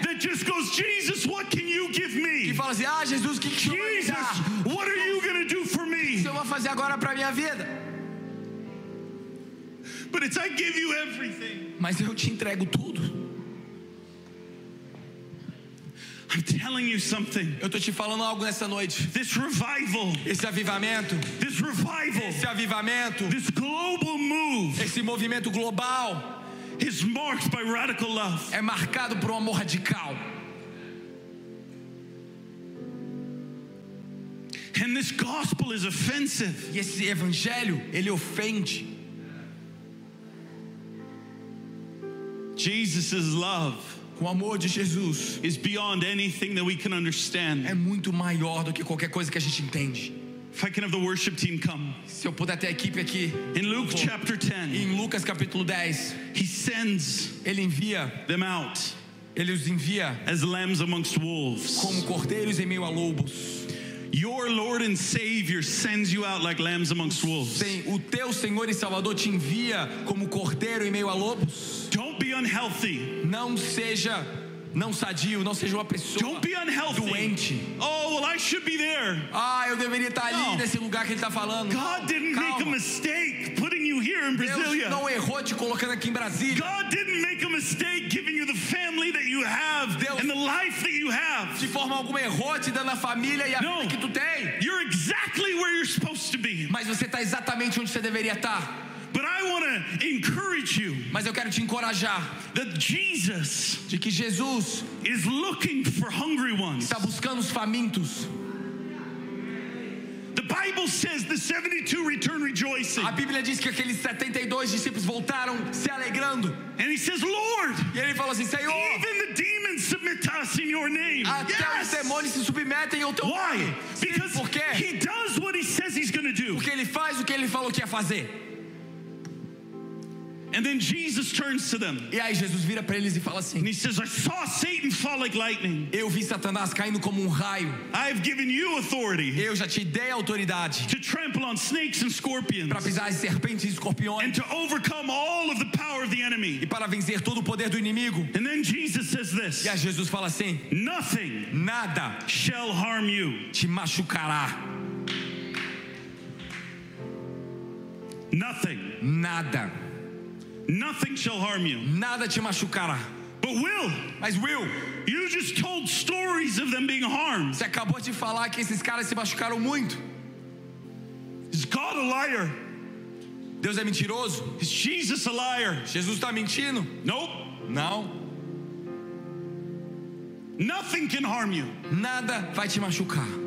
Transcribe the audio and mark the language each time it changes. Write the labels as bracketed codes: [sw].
[en] That just goes, Jesus, what can you give me? [pt] E fala assim, ah, Jesus, que [en] Jesus, what are you going to do for me? [pt] O que você vai fazer agora para minha vida? [en] But it's I give you everything. [pt] Mas eu te entrego tudo. [en] I'm telling you something. [pt] Eu tô te falando algo nessa noite. [en] This revival. [pt] Esse avivamento. [en] This revival. [pt] Esse avivamento. [en] This global move. [pt] Esse movimento global. [en] Is marked by radical love. [pt] É marcado por um amor radical. [en] And this gospel is offensive. [pt] E esse evangelho, ele ofende. [en] Jesus's love. [pt] O amor de Jesus [en] is beyond anything that we can understand. [pt] É muito maior do que qualquer coisa que a gente entende. [en] If I can have the worship team come. [pt] Se eu puder ter a equipe aqui. [en] In Luke chapter 10. [pt] Em Lucas capítulo 10. [en] He sends. [pt] Ele envia. [en] Them out. [pt] Ele os envia. [en] As lambs amongst wolves. [pt] Como cordeiros em meio a lobos. [en] Your Lord and Savior sends you out like lambs amongst wolves. [pt] O teu Senhor e Salvador te envia como cordeiro em meio a lobos. [en] Don't be unhealthy. [pt] Não seja não sadio, não seja uma pessoa [en] don't be unhealthy. [pt] Doente. [en] Oh, well, I should be there. [pt] Ah, eu deveria estar ali nesse lugar que ele está falando. [en] God didn't [pt] Calma. [en] Make a mistake putting you here in Brasília. [pt] Deus não errou te colocando aqui em Brasília. [en] God didn't make a mistake giving you the family that you have [pt] Deus [en] and the life that you have. [pt] De forma alguma errou te dando a família e a [en] no, [pt] vida que tu tem. [en] You're exactly where you're supposed to be. [pt] Mas você está exatamente onde você deveria estar. [en] But I want to encourage you. [pt] Mas eu quero te encorajar. [en] That Jesus, [pt] de que Jesus, [en] is looking for hungry ones. [pt] Está buscando os famintos. [en] The Bible says the 72 return rejoicing. [pt] A Bíblia diz que aqueles 72 discípulos voltaram se alegrando. [en] And he says, Lord. [pt] E ele falou assim, Senhor. [en] Even the demons submit to us in your name. [pt] Até os demônios se submetem ao teu [en] Why? [pt] Nome. [en] Why? Because [pt] Por quê? [en] He does what he says he's going to do. [pt] Porque ele faz o que ele falou que ia fazer. [en] And then Jesus turns to them. [pt] E aí Jesus vira para eles e fala assim. [en] And he says, I saw Satan fall like lightning. [pt] Eu vi Satanás caindo como raio. [en] I've given you authority. [pt] Eu já te dei autoridade. [en] To trample on snakes and scorpions. [pt] Para pisar em serpentes e escorpiões. [en] And to overcome all of the power of the enemy. [pt] E para vencer todo o poder do inimigo. [en] And then Jesus says this. [pt] E aí Jesus fala assim. [en] Nothing. [pt] Nada. [en] Shall harm you. [pt] Te machucará. [en] Nothing. [pt] Nada. [en] Nothing shall harm you. [pt] Nada te machucará. [en] But Will, [pt] mas Will, [en] you just told stories of them being harmed. [pt] Você acabou de falar que esses caras se machucaram muito. [en] Is God a liar? [pt] Deus é mentiroso? [en] Is Jesus a liar? [pt] Jesus está mentindo? [en] Nope. [pt] Não. [en] Nothing can harm you. [pt] Nada vai te machucar.